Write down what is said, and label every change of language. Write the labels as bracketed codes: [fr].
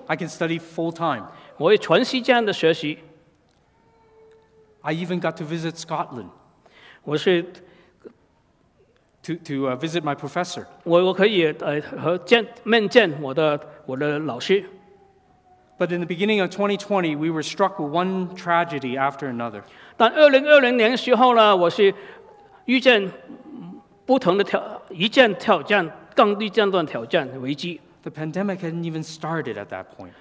[en] I can study full time. [zh] 我也全时间的学习。 [en] I even got to visit Scotland. [zh] 我是 [en] to visit my professor. [zh] 我可以和面见我的老师。 [en] But in the beginning of 2020, we were struck with one tragedy after another. [zh] 但2020年时候呢，我是遇见不同的挑一件挑战。 [en] The The pandemic hadn't even started at that point.